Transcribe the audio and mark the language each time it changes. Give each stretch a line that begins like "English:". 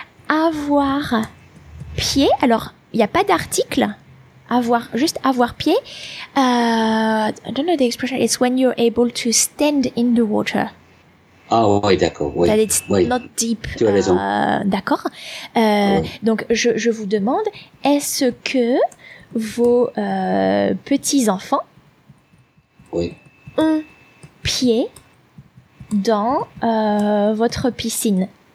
French: Avoir pied, alors il n'y a pas d'article. Avoir, juste avoir pied.
English: I don't know the expression. It's when you're able to stand in the water.
French: Ah oh, oui, d'accord. Oui.
English: That it's
French: oui.
English: Not deep.
French: Tu as raison. D'accord. Oui. Donc, je vous demande, est-ce que vos petits-enfants oui. ont pied dans votre piscine?